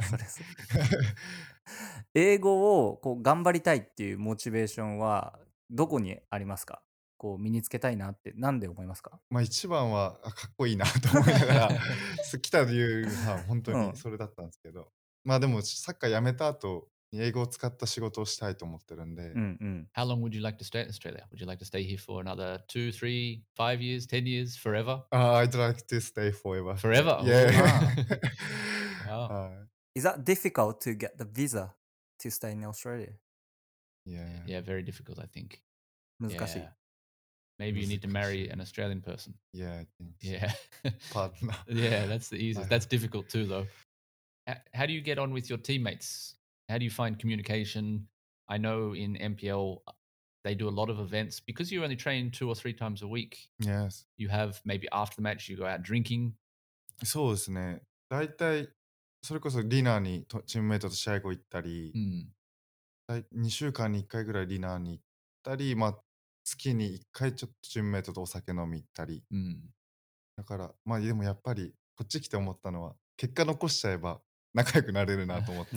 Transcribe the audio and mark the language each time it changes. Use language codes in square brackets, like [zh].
[ja] そうです英語をこう頑張りたいっていうモチベーションはどこにありますか？こう身につけたいなってなんで思いますか？まあ、一番はかっこいいなと思いながら来た理由は本当にそれだったんですけど、うん、まあでもサッカー辞めた後英語を使った仕事をしたいと思ってるんで、うんうん、 [en] How long would you like to stay in Australia? Would you like to stay here for another 2, 3, 5 years, 10 years, forever? I'd like to stay forever. Forever? Yeah. Wow. Is that difficult to get the visa to stay in Australia? Yeah. Yeah, very difficult, I think. [ja] 難しい。 [en] Yeah. Maybe you need to marry an Australian person. Yeah, I think so. Yeah. Partner. Yeah, that's the easiest. That's difficult too, though. How do you get on with your teammates? How do you find communication? I know in MPL, they do a lot of events. Because you only train 2 or 3 times a week. Yes. You have, maybe after the match, you go out drinking. [ja] そうですね。大体、それこそディナーにチームメイトと試合後行ったり、うん、 2週間に1回ぐらいディナーに行ったり、まあ、月に1回ちょっとチームメイトとお酒飲み行ったり。うん、だから、まあでもやっぱり、こっち来て思ったのは、結果残しちゃえば、仲良くなれるなと思って。